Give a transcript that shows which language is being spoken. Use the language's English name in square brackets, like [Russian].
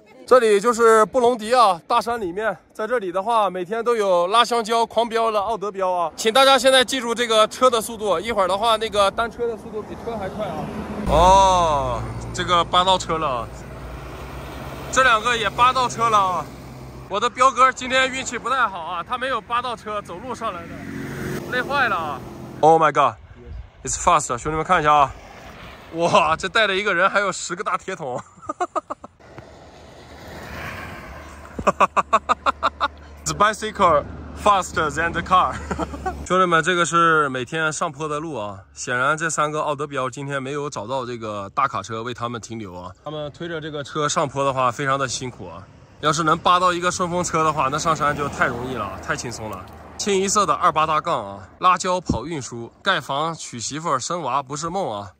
[Chinese] 这里就是布隆迪啊，大山里面，在这里的话每天都有拉香蕉狂飙的奥德彪啊，请大家现在记住这个车的速度，一会儿的话那个单车的速度比车还快啊。哦，这个扒到车了，这两个也扒到车了啊。我的彪哥今天运气不太好啊，他没有扒到车，走路上来的，累坏了。 [English] Oh my god, it's fast, [Chinese] 兄弟们看一下啊，哇，这带着一个人还有10个大铁桶。 [English] The bicycle faster than the car. [Chinese] 兄弟们，这个是每天上坡的路啊。显然，这三个奥德彪今天没有找到这个大卡车为他们停留啊。他们推着这个车上坡的话，非常的辛苦啊。要是能扒到一个顺风车的话，那上山就太容易了，太轻松了。清一色的28大杠啊，拉胶跑运输，盖房娶媳妇生娃不是梦啊。